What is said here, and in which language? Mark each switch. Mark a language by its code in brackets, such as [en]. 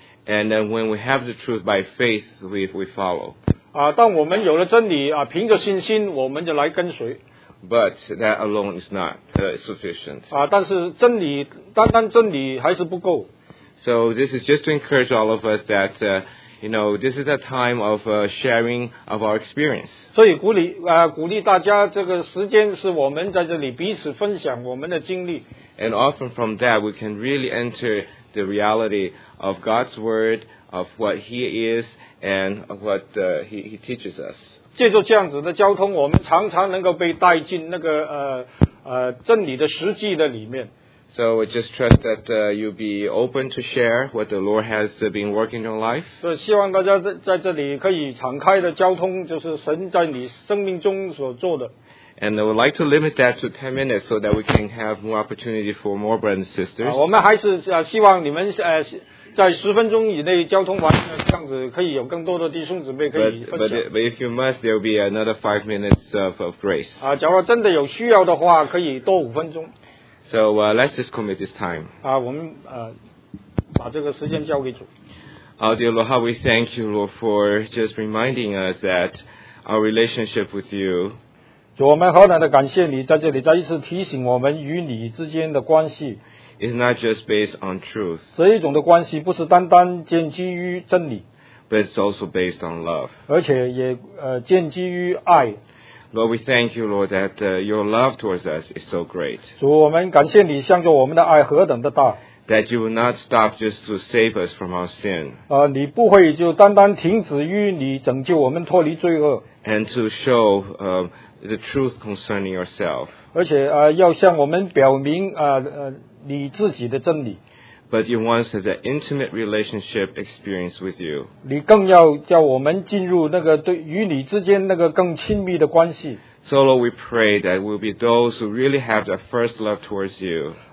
[en] And then when we have the truth by faith, we follow. [zh] 当我们有了真理凭着信心我们就来跟随。 [en] But that alone is not sufficient. [zh] 但是真理，单单真理还是不够。 [en] So this is just to encourage all of us that, you know, this is a time of sharing of our experience. [zh] 所以鼓励大家，这个时间是我们在这里彼此分享我们的经历。 [en] And often from that, we can really enter the reality of God's word, of what He is, and what He teaches us. [zh] 借助这样子的交通，我们常常能够被带进那个真理的实际的里面。 [en] So we just trust that you'll be open to share what the Lord has been working in your life. [zh] 希望大家在这里可以敞开的交通，就是神在你生命中所做的。 [en] And I would like to limit that to 10 minutes so that we can have more opportunity for more brothers and sisters. [zh] 我们还是希望你们在十分钟以内交通完，这样子可以有更多的弟兄姊妹可以分享。 [en] But if you must, there will be another 5 minutes of grace. [zh] 假如真的有需要的话，可以多5分钟。 [en] So let's just commit this time. [zh] 我们把这个时间交给主。 [en] Dear Lord, how we thank you, Lord, for just reminding us that our relationship with you. [zh] 主，我们何等的感谢你在这里再一次提醒我们与你之间的关系。 [en] Is not just based on truth. [zh] 这一种的关系不是单单建基于真理。 [en] But it's also based on love. [zh] 而且也建基于爱。 [en] Lord, we thank you, Lord, that your love towards us is so great. [zh] 主，我们感谢你向着我们的爱何等的大。 [en] That you will not stop just to save us from our sin. [zh] 你不会就单单停止于你拯救我们脱离罪恶。 [en] And to show the truth concerning yourself. [zh] 而且要向我们表明你自己的真理。 [en] But you want us to have an intimate relationship experience with you. [zh] 你更要叫我们进入那个对与你之间那个更亲密的关系。 [en] So Lord, we pray that we'll be those who really have the first love towards you.